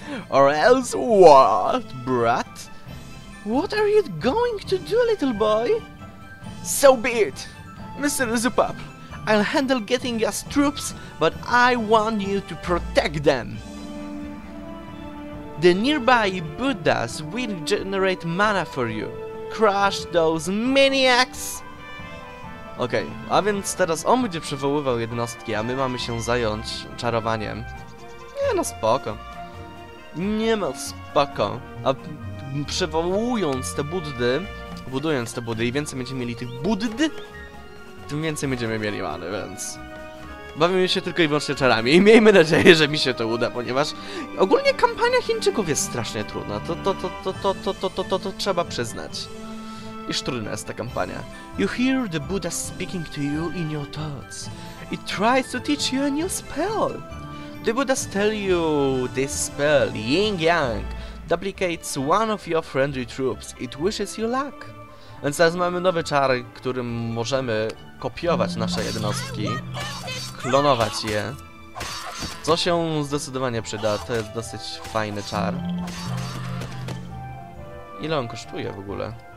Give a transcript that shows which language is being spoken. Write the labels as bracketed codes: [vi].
[en] Or else what, brat? What are you going to do, little boy? So be it, Mr. Zupap. I'll handle getting us troops, but I want you to protect them. The nearby Buddhas will generate mana for you. Crush those maniacs! [pl] Okej, okay, a więc teraz on będzie przywoływał jednostki, a my mamy się zająć czarowaniem. Nie no, spoko. Nie ma spoko. A przywołując te Buddy, budując te Buddy, i więcej będziemy mieli tych Buddy, tym więcej będziemy mieli many, więc... Bawimy się tylko i wyłącznie czarami i miejmy nadzieję, że mi się to uda, ponieważ ogólnie kampania Chińczyków jest strasznie trudna. To trzeba przyznać. Iż trudna jest ta kampania. [en] You hear the Buddha speaking to you in your thoughts. It tries to teach you a new spell. The Buddha tell you this spell, Ying Yang, duplicates one of your friendly troops. It wishes you luck. [pl] Więc teraz mamy nowy czar, którym możemy kopiować nasze jednostki. Klonować je. Co się zdecydowanie przyda. To jest dosyć fajny czar. Ile on kosztuje w ogóle?